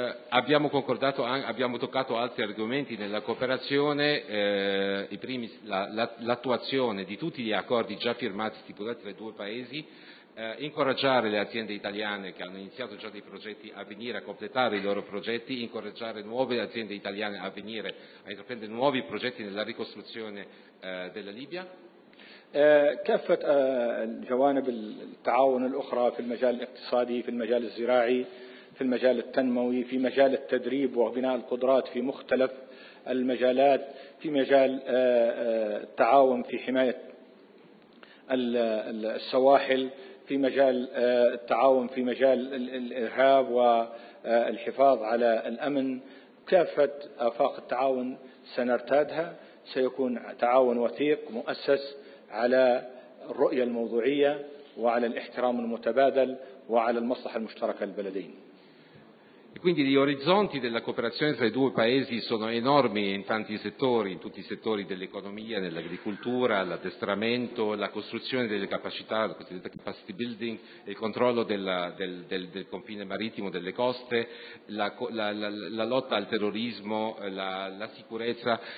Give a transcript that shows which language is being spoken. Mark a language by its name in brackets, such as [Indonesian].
[Italian] Abbiamo concordato, abbiamo toccato altri argomenti nella cooperazione, i primi, l'attuazione di tutti gli accordi già firmati e stipulati tra i due paesi, incoraggiare le aziende italiane che hanno iniziato già dei progetti a venire a completare i loro progetti, incoraggiare nuove aziende italiane a venire a intraprendere nuovi progetti nella ricostruzione della Libia. [Arabic] كافة الجوانب التعاون الأخرى في المجال الاقتصادي، في المجال الزراعي، في المجال التنموي، في مجال التدريب وبناء القدرات في مختلف المجالات، في مجال التعاون في حماية السواحل، في مجال التعاون في مجال الإرهاب والحفاظ على الأمن. كافة آفاق التعاون سنرتادها، سيكون تعاون وثيق مؤسس على الرؤية الموضوعية وعلى الاحترام المتبادل وعلى المصلحة المشتركة للبلدين. [Italian] E quindi gli orizzonti della cooperazione tra i due paesi sono enormi in tanti settori, in tutti i settori dell'economia, nell'agricoltura, l'addestramento, la costruzione delle capacità, la cosiddetta capacity building, il controllo del confine marittimo, delle coste, la lotta al terrorismo, la sicurezza.